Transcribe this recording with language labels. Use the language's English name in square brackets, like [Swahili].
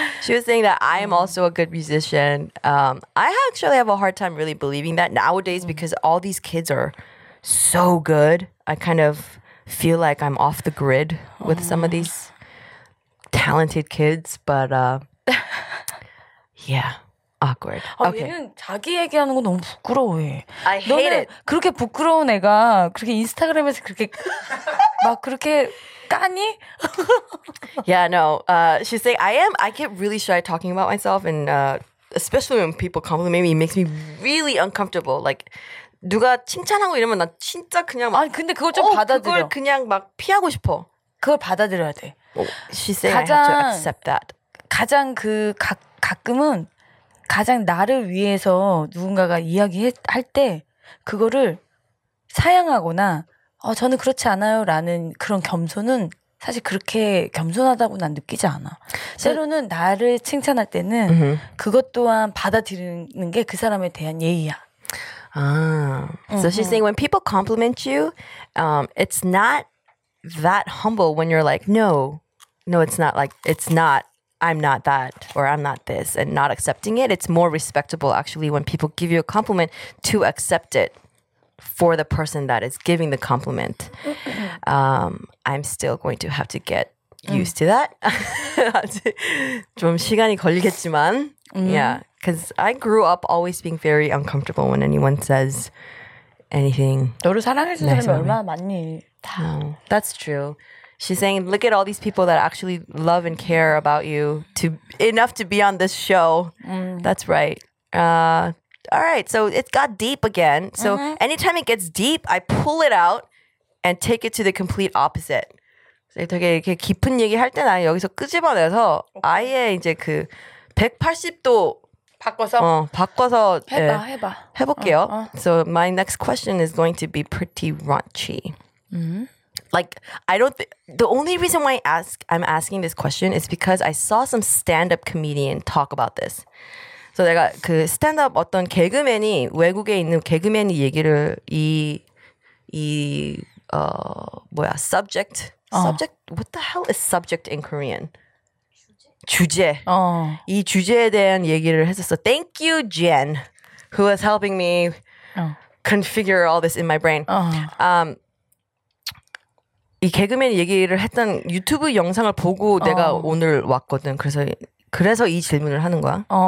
[English] She was saying that I am also a good musician. I actually have a hard time really believing that nowadays because all these kids are so good. I kind of feel like I'm off the grid with some of these talented kids, but yeah. Awkward. Okay. [Korean] 얘는 자기 얘기하는 거 너무 부끄러워해. [English] I hate it. [Korean] 그렇게 부끄러운 애가 그렇게 인스타그램에서 그렇게 막 그렇게 까니? [English] Yeah, no. She's saying, I get really shy talking about myself, and especially when people compliment me, it makes me really uncomfortable. [Korean] Like, 누가 칭찬하고 이러면 난 진짜 그냥 막, 아니, 근데 그걸 좀 받아들여. 그걸 그냥 막 피하고 싶어. 그걸 받아들여야 돼. [English] She's saying 가장, I have to accept that. [Korean] 가장 그 가끔은 가장 나를 위해서 누군가가 이야기할 때 그거를 사양하거나 저는 그렇지 않아요 라는 그런 겸손은 사실 그렇게 겸손하다고 난 느끼지 않아. 때로는 나를 칭찬할 때는 그것 또한 받아들이는 게 그 사람에 대한 예의야. [English] So she's saying when people compliment you, it's not that humble when you're like, no, it's not like, it's not, I'm not that, or I'm not this, and not accepting it. It's more respectable, actually, when people give you a compliment to accept it for the person that is giving the compliment. I'm still going to have to get used to that. [Korean] 아직 좀 시간이 걸리겠지만, [English] yeah, because I grew up always being very uncomfortable when anyone says anything. [Korean] 너를 사랑해주는 사람이 얼마나 많니? [English] That's true. She's saying, look at all these people that actually love and care about you to enough to be on this show. That's right. All right. So it got deep again. So anytime it gets deep, I pull it out and take it to the complete opposite. [Korean] 되게 이렇게 깊은 얘기할 때 나는 여기서 끄집어내서 아예 이제 그 180도 바꿔서 해볼게요. [English] So my next question is going to be pretty raunchy. Like, I don't the only reason why I'm asking this question is because I saw some stand-up comedian talk about this. [Korean] So 내가 그 stand-up 어떤 개그맨이 외국에 있는 개그맨이 얘기를 뭐야 subject [English] what the hell is subject in Korean? [Korean] 주제. 이 주제에 대한 얘기를 했었어. [English] Thank you, Jen, who was helping me configure all this in my brain. [Korean] 이 개그맨 얘기를 했던 유튜브 영상을 보고 내가 오늘 왔거든. 그래서 이 질문을 하는 거야.